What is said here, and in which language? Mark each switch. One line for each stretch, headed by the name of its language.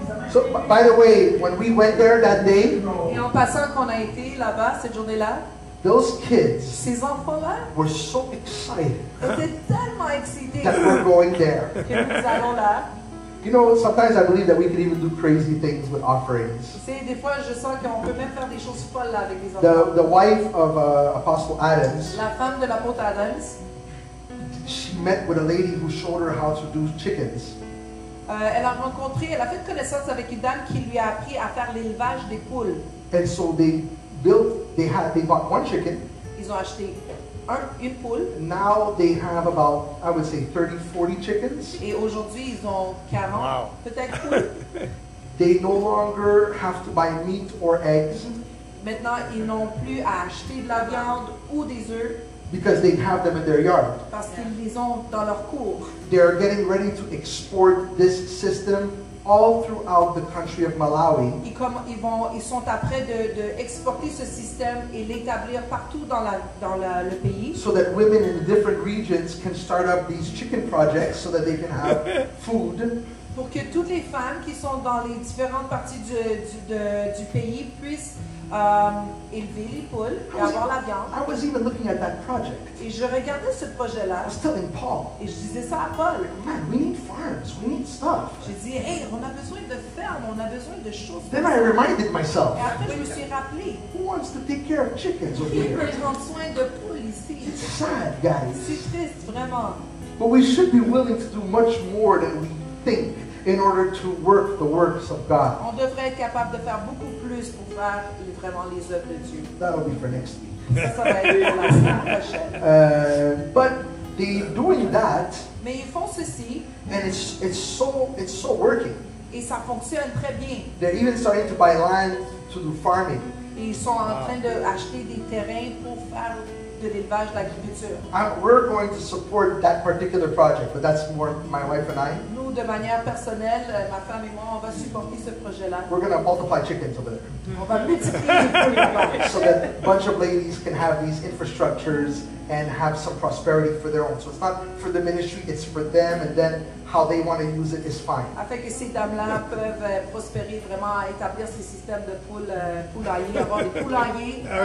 English: So, by the way, when we went there that day,
French: et en passant qu'on a été là-bas cette journée-là,
English: those kids,
French: ces enfants-là,
English: were so excited,
French: étaient tellement excités,
English: that we're going there.
French: Que nous allons là.
English: You know, sometimes I believe that we could even do crazy things with offerings. The wife of Apostle Adams,
French: la femme de l'apôtre Adams,
English: she met with a lady who showed her how to do chickens.
French: Elle a fait connaissance avec une dame qui lui a appris à faire l'élevage des poules.
English: And so they built, they bought one chicken.
French: Ils ont acheté une poule.
English: Now they have about, I would say, 30, 40 chickens.
French: Et aujourd'hui, ils ont 40, wow, peut-être poules.
English: They no longer have to buy meat or eggs.
French: Maintenant, ils n'ont plus à acheter de la viande ou des œufs.
English: Because they have them in their yard.
French: Parce qu'ils les ont dans leur cour.
English: They are getting ready to export this system all throughout the country of Malawi.
French: Ils sont à prêt de exporter ce système et l'établir partout dans le pays.
English: So that women in different regions can start up these chicken projects so that they can have food.
French: Pour que toutes les femmes qui sont dans les différentes parties du pays puissent élever les poules et avoir la viande.
English: I was even looking at that project.
French: Et je regardais ce projet-là.
English: I was telling Paul.
French: Et je disais ça à Paul.
English: Man, we need farms. We need stuff.
French: Je dis, hey, on a besoin de fermes. On a besoin de choses.
English: Then I reminded myself.
French: Et après, je me suis rappelé.
English: Who wants to take care of chickens over here?
French: Qui peut prendre soin de poules ici?
English: It's sad, guys.
French: C'est triste, vraiment.
English: But we should be willing to do much more than we think in order to work the works of God.
French: On devrait être capable de faire beaucoup plus pour faire vraiment les œuvres de Dieu.
English: That'll be for next week.
French: Ça va être
English: but they're doing that.
French: Mais ils font ceci.
English: And it's so working.
French: Et ça fonctionne très bien.
English: They're even starting to buy land to do farming.
French: Et ils sont en train de acheter des terrains pour faire de l'élevage, de l'agriculture.
English: We're going to support that particular project, but that's more my wife and I.
French: Nous, de manière personnelle, ma femme et moi, on va supporter ce projet-là.
English: We're going to multiply chickens over there.
French: On va multiplier les poules.
English: So that a bunch of ladies can have these infrastructures and have some prosperity for their own. So it's not for the ministry, it's for them, and then how they want to use it is fine.
French: Afin que ces dames-là peuvent prospérer vraiment, établir ces systèmes de poulailler, avoir des poulaillers.